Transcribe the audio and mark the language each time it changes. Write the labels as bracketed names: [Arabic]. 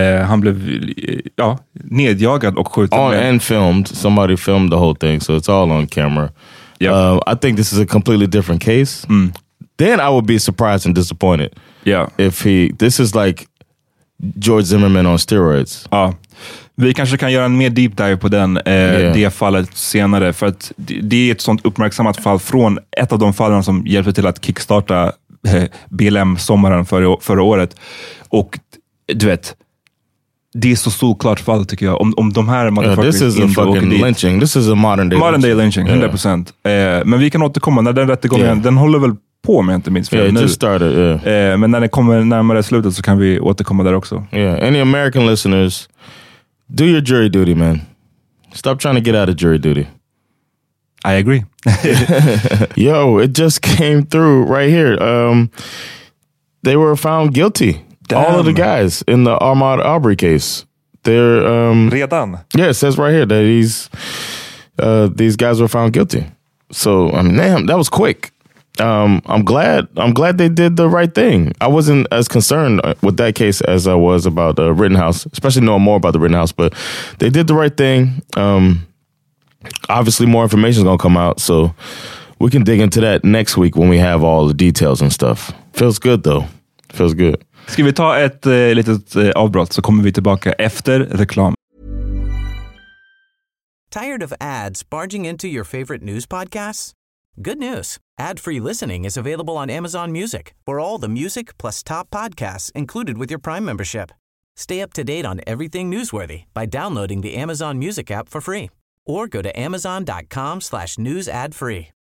[Swedish] Han blev nedjagad och skjuten. [English] Oh, and filmed. Somebody filmed the whole thing, so it's all on camera. Yep. I think this is a completely different case. Mm. Then I would be surprised and disappointed. Yeah. If he... This is like George Zimmerman on steroids. Ja. [Swedish] Vi kanske kan göra en mer [English] deep dive [Swedish] på den det fallet senare, för att det är ett sånt uppmärksammat fall från ett av de fallen som hjälpte till att kickstarta BLM-sommaren förra året. Och du vet, det är så solklart fall, tycker jag, om de här [English] motherfuckers this is a fucking lynching. This is a modern day lynching, 100%. [Swedish] Men vi kan återkomma när den rättegången, den håller väl på, om jag inte minns fel. [English] Yeah, just started, [Swedish] men när det kommer närmare slutet så kan vi återkomma där också. [English] Yeah, any American listeners, do your jury duty, man. Stop trying to get out of jury duty. I agree. Yo, it just came through right here. They were found guilty. Damn. All of the guys in the Ahmaud Arbery case. They're [Swedish] redan? [English] Yeah, it says right here that these guys were found guilty. So, I mean, damn, that was quick. I'm glad they did the right thing. I wasn't as concerned with that case as I was about Rittenhouse, especially knowing more about the Rittenhouse, but they did the right thing. Obviously more information is going to come out, so we can dig into that next week when we have all the details and stuff. Feels good though. Feels good. [Swedish] Ska vi ta ett litet avbrott så kommer vi tillbaka efter reklam. [English] Tired of ads barging into your favorite news podcasts? Good news. Ad-free listening is available on Amazon Music for all the music plus top podcasts included with your Prime membership. Stay up to date on everything newsworthy by downloading the Amazon Music app for free or go to amazon.com/newsadfree.